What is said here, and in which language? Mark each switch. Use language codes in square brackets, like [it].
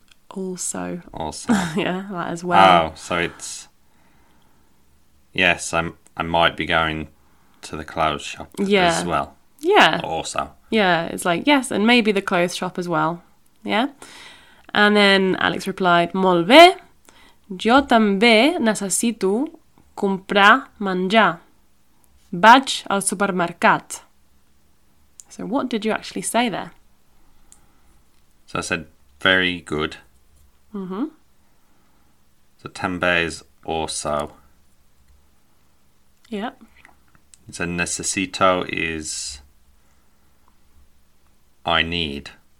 [en] Also. Yeah, that as well. Oh, so it's... Yes, I might be going to the clothes shop as well. Yeah. Also. Yeah, it's like, yes, and maybe the clothes shop as well. Yeah? And then Alex replied, [ca] molt bé, jo també necessito comprar menjar. Vaig al supermercat. [en] So what did you actually say there? So I said, very good. Mm-hmm. So també is also. Yeah. So necesito is I need.